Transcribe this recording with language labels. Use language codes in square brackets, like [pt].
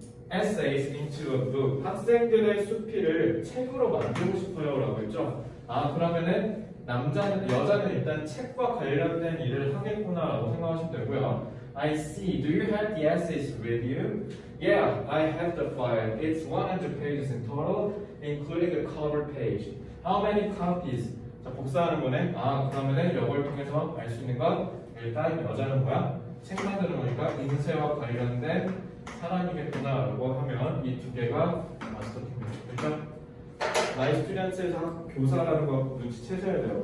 [en] Essays into a book. [ko] 학생들의 수필을 책으로 만들고 싶어요 라고 했죠. 아, 그러면은 남자는, 여자는 일단 책과 관련된 일을 하겠구나 라고 생각하시면 되고요. [en] I see. Do you have the essays with you? Yeah, I have the file. It's 100 pages in total, including the cover page. How many copies? [ko] 자, 복사하는 거네. 아, 그러면은 이걸 통해서 알 수 있는 건 일단 여자는 뭐야? 책 만드는 거니까 인쇄와 관련된 사람이겠구나 라고 하면 이 두 개가 마스터킹입니다. 그러니까 마이 스튜디언트에서 교사라는 거 눈치채셔야 돼요.